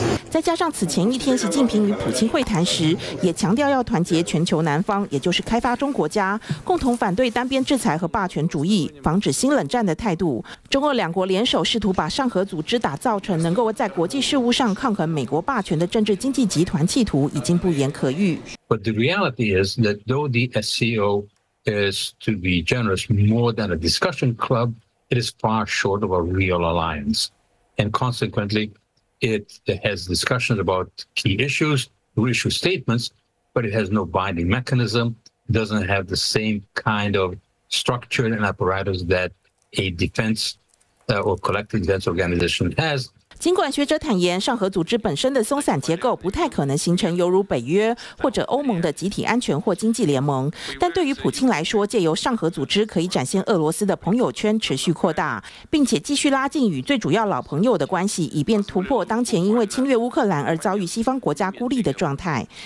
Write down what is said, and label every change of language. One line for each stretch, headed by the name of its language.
Chinese: 再加上此前一天习近平与普京会谈时也强调要团结全球南方，也就是开发中国家，共同反对单边制裁和霸权主义，防止新冷战的态度，中俄两国联手试图把上合组织打造成能够在国际事务上抗衡美国霸权的政治经济集团企图已经不言可喻。
English: But the reality is that though the SCO is, to be generous, more than a discussion club, it is far short of a real alliance, and consequently, it has discussions about key issues, issue statements, but it has no binding mechanism, doesn't have the same kind of structure and apparatus that a defense or collective defense organization has.
Chinese: 尽管学者坦言，上合组织本身的松散结构不太可能形成犹如北约或者欧盟的集体安全或经济联盟，但对于普京来说，借由上合组织可以展现俄罗斯的朋友圈持续扩大，并且继续拉近与最主要老朋友的关系，以便突破当前因为侵略乌克兰而遭遇西方国家孤立的状态。